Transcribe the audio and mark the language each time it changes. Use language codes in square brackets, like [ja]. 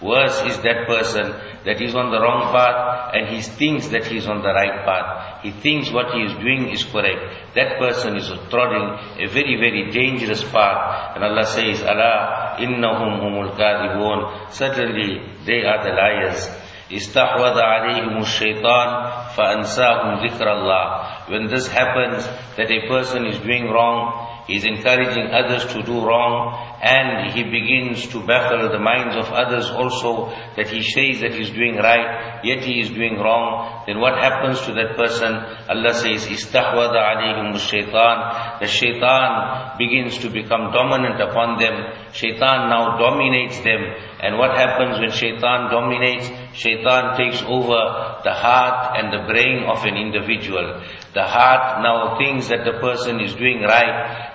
[en] Worse is that person that is on the wrong path and he thinks that he is on the right path. He thinks what he is doing is correct. That person is trodding a very, very dangerous path. And Allah says, [ar] Ala innahum humul kadhibun, [en] certainly they are the liars. [ar] استحوذ عليهم الشيطان فأنساهم ذكر الله. [en] When this happens, that a person is doing wrong, he is encouraging others to do wrong, and he begins to baffle the minds of others also, that he says that he is doing right, yet he is doing wrong. Then what happens to that person? Allah says, [ar] استحوذ عليهم الشيطان. [en] The shaitan begins to become dominant upon them. Shaitan now dominates them. And what happens when shaitan dominates? Shaitan takes over the heart and the brain of an individual. The heart now thinks that the person is doing right.